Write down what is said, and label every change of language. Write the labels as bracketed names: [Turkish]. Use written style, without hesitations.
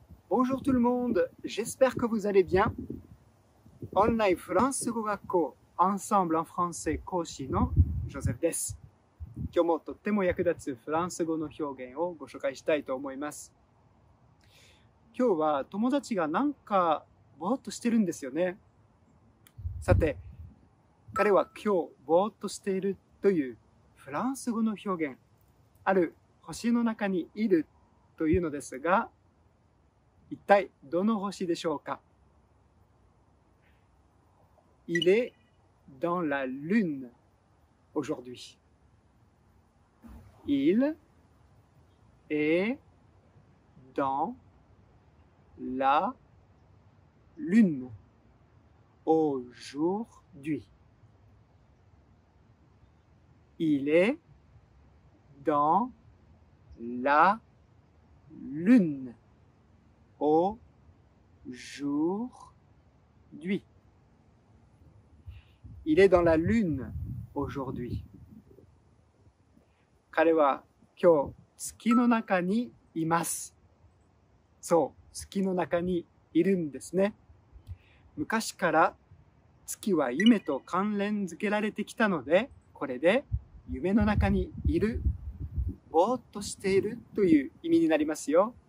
[French] Bonjour tout le monde, j'espère que vous allez bien. [Japanese] Online France 語学校 Ensemble en français 講師のジョセフです。今日もとっても役立つフランス語の表現をご紹介したいと思います。今日は友達がなんかぼーっとしてるんですよね。さて、彼は今日ぼーっとしているというフランス語の表現、ある星の中にいるというのですが、一体どの星でしょうか？ [French] Il est dans la lune aujourd'hui. Il est dans la lune aujourd'hui. Il est dans la luneAujourd'hui. Il est dans la lune aujourd'hui. [Japanese] 彼は今日月の中にいます。そう、月の中にいるんですね。昔から月は夢と関連付けられてきたので、これで夢の中にいる、ぼーっとしているという意味になりますよ。